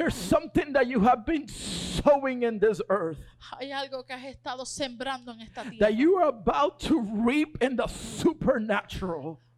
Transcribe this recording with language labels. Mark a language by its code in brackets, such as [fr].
[en] There's something that you have been sowing in this earth. [es] Hay algo que has estado sembrando en esta tierra. [en] That you are about to reap in the supernatural.